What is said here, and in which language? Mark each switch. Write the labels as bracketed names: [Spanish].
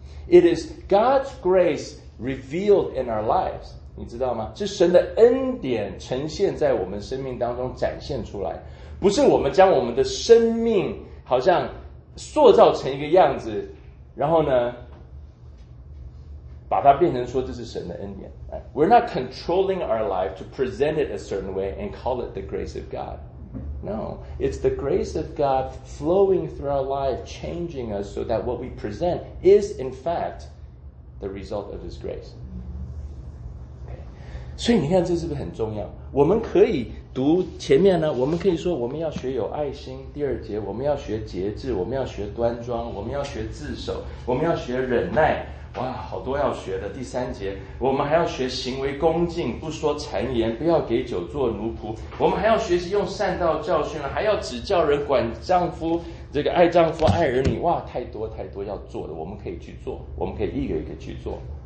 [English] It is God's graceRevealed in our lives, [Chinese] 你知道吗？是神的恩典呈现在我们生命当中展现出来，不是我们将我们的生命好像塑造成一个样子，然后呢，把它变成说这是神的恩典。 [English] We're not controlling our life to present it a certain way and call it the grace of God. No, it's the grace of God flowing through our life, changing us so that what we present is in fact. The result of His grace. Okay. [Chinese] 所以你看这是不是很重要？我们可以读前面呢，我们可以说我们要学有爱心，第二节我们要学节制，我们要学端庄，我们要学自守，我们要学忍耐，哇，好多要学的。第三节我们还要学行为恭敬，不说谗言，不要给酒做奴仆，我们还要学习用善道教训，还要指教人，管丈夫，这个爱丈夫爱儿女，哇，太多太多要做的，我们可以去做，我们可以一个一个去做。